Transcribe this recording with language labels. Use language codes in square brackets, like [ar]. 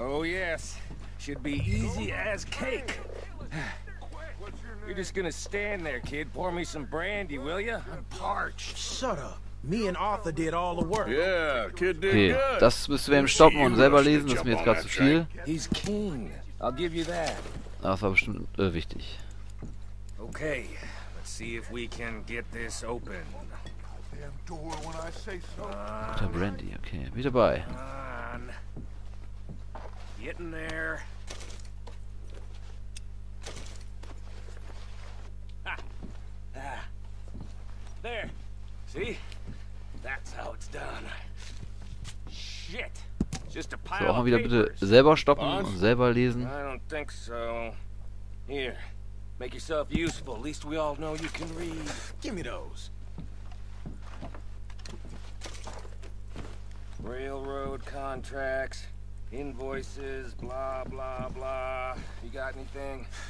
[en] Oh yes. Should be easy as cake. You're just gonna stand there, kid. Pour me some brandy, will ya? I'm parched. Shut up. Me and Arthur did all the work. Yeah, kid did good. [de] Das müssen wir ihm stoppen und selber lesen, das ist mir jetzt gerade zu viel. [en] He's keen. I'll give you that. [de] Das war bestimmt wichtig. [en] Okay, let's see if we can get this open. [de] Guter Brandy, okay. Bin ich dabei. [en] Getting there. There. See? That's how it's done. Shit. Just a pile. [de] So auch mal wieder bitte selber stoppen und selber lesen. [en] I don't think so. Here. Make yourself useful. At least we all know you can read. Give me those. Railroad contracts, invoices, blah blah blah. You got anything?